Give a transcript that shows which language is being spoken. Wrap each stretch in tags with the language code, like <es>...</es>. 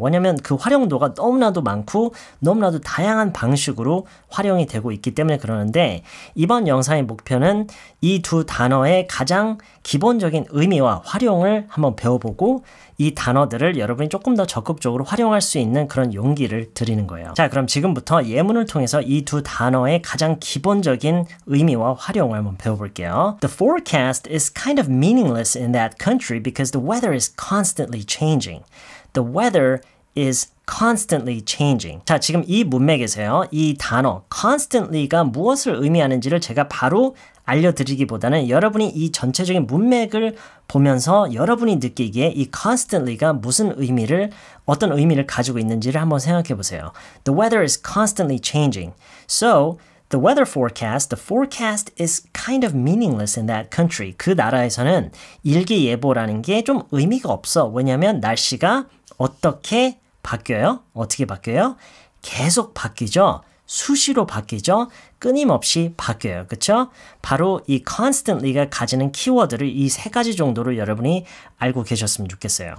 <ko>왜냐면 그 활용도가 너무나도 많고 너무나도 다양한 방식으로 활용이 되고 있기 때문에 그러는데 이번 영상의 목표는 이 두 단어의 가장 기본적인 의미와 활용을 한번 배워보고 이 단어들을 여러분이 조금 더 적극적으로 활용할 수 있는 그런 용기를 드리는 거예요. 자, 그럼 지금부터 예문을 통해서 이 두 단어의 가장 기본적인 의미와 활용을 한번 배워볼게요.</ko> <en>The forecast is kind of meaningless in that country because the weather is constantly changing. The weather is constantly changing.</en> <ko>자, 지금 이 문맥에서요. 이 단어 constantly가 무엇을 의미하는지를 제가 바로 알려드리기보다는 여러분이 이 전체적인 문맥을 보면서 여러분이 느끼기에 이 constantly가 무슨 의미를 어떤 의미를 가지고 있는지를 한번 생각해 보세요.</ko> <en>The weather is constantly changing. So, the weather forecast, the forecast is kind of meaningless in that country.</en> <ko>그 나라에서는 일기예보라는 게 좀 의미가 없어. 왜냐면 날씨가 어떻게 바뀌어요? 어떻게 바뀌어요? 계속 바뀌죠. 수시로 바뀌죠. 끊임없이 바뀌어요. 그렇죠? 바로 이 constantly가 가지는 키워드를 이 세 가지 정도로 여러분이 알고 계셨으면 좋겠어요.</ko>